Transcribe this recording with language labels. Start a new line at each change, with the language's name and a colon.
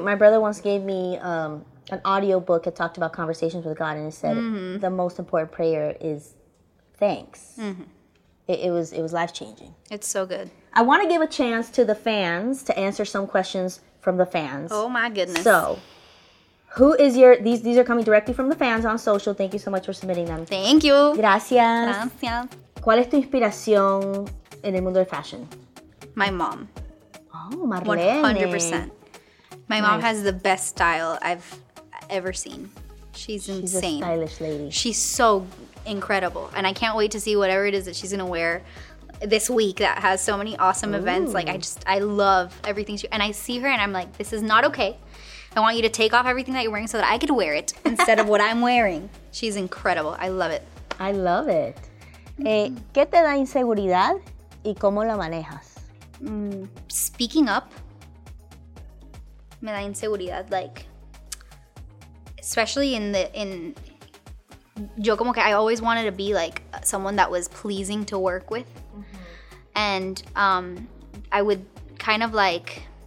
English: My brother once gave me an audio book that talked about conversations with God, and it said the most important prayer is thanks. It was life-changing. It's so good. I want to give a chance to the fans to answer some questions from the fans. Oh, my goodness. So who is your – these are coming directly from the fans on social. Thank you so much for submitting them. Thank you.
Spanish: Gracias. Gracias. ¿Cuál es tu inspiración en el mundo de fashion?
English: My mom. Oh, Marlene. 100%. My mom has the best style I've ever seen. She's insane. She's a stylish lady. She's so incredible. And I can't wait to see whatever it is that she's going to wear this week that has so many awesome events. Like, I love everything she... And I see her and I'm like, this is not okay. I want you to take off everything that you're wearing so that I could wear it instead of what I'm wearing. She's incredible. I love it. I love it.
Spanish: ¿Qué te da inseguridad y cómo la manejas?
English: Speaking up,
Spanish: me da inseguridad,
English: like, especially in,
Spanish: yo como que
English: I always wanted to be like someone that was pleasing to work with, and I would kind of like